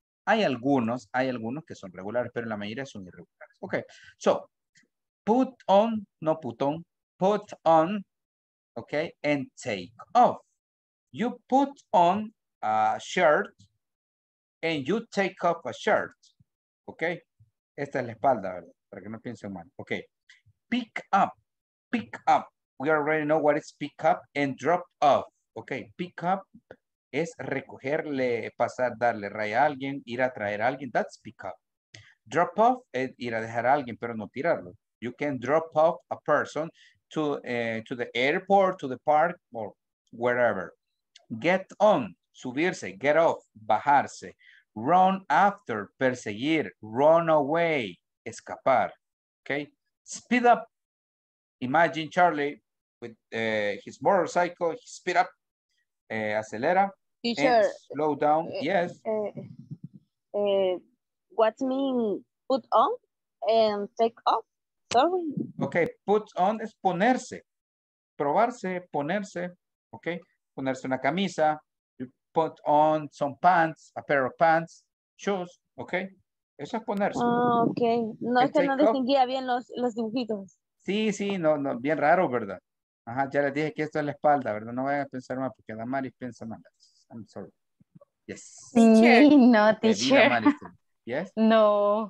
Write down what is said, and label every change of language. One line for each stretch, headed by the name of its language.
Spanish: Hay algunos que son regulares, pero la mayoría son irregulares.
English: Okay, so, put on, okay, and take off. You put on a shirt, and you take off a shirt, okay?
Spanish: Esta es la espalda, ¿verdad? Para que no piensen mal.
English: Okay, pick up, we already know what is pick up, and drop off, okay? Pick up,
Spanish: es recogerle, pasar, darle raya a alguien, ir a traer a alguien.
English: That's pick up.
Spanish: Drop off es ir a dejar a alguien, pero no tirarlo.
English: You can drop off a person to the airport, to the park, or wherever. Get on, subirse. Get off, bajarse. Run after, perseguir. Run away, escapar. Okay? Speed up. Imagine Charlie with his motorcycle. Speed up. Acelera. Teacher, and slow down. Yes. What mean put on and take off? Sorry.
Spanish: Okay, put on es ponerse. Probarse, ponerse. Okay, ponerse una camisa.
English: You put on some pants, a pair of pants, shoes.
Spanish: Okay, eso es ponerse. Oh, okay, no, es que no distinguía bien los dibujitos. Sí, sí, no, no, bien raro, ¿verdad? Ajá, ya les dije que esto es la espalda, ¿verdad? No vayan a pensar más porque Damaris piensa mal.
English: I'm sorry. Yes.
Spanish: Sí, no, teacher.
English: Yes? No.